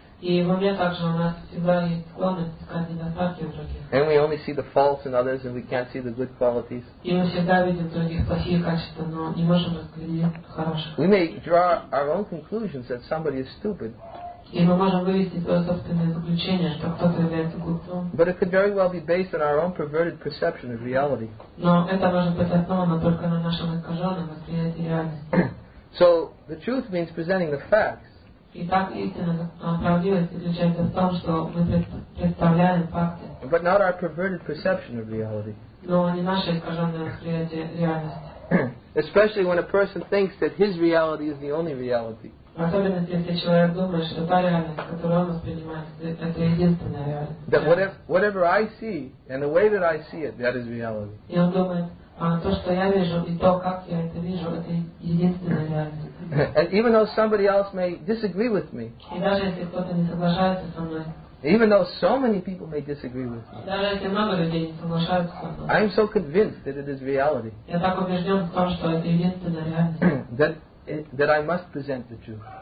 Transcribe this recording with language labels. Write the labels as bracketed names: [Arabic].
[Russian] И в уме также у нас всегда есть склонность искать недостатки в других. [English] And we only see the faults in others and we can't see the good qualities. [Russian] И мы всегда видим других плохие качества, но не можем разглядеть хороших. [English] We may draw our own conclusions that somebody is stupid. [Russian] И мы можем вывести свое собственное заключение, что кто-то является глупцом. [English] But it could very well be based on our own perverted perception of reality. [Russian] Но это может быть основано только на нашем искаженном восприятии реальности. [English] So the truth means presenting the facts. [Russian] Итак, истина, правдивость заключается в том, что мы представляем факты. [English] But not our perverted perception of reality. [Russian] Но не наше искаженное восприятие реальности. [English] Especially when a person thinks that his reality is the only reality. [Russian] Особенно если человек думает, что та реальность, которую он воспринимает, это единственная реальность. [English] That whatever I see and the way that I see it, that is reality. [Russian] И он думает, то, что я вижу и то, как я это вижу, это единственная реальность. [English] And even though somebody else may disagree with me. [Russian] И даже если кто-то не соглашается со мной. [English] Even though so many people may disagree with me, I am so convinced that it is reality. that I must present the truth.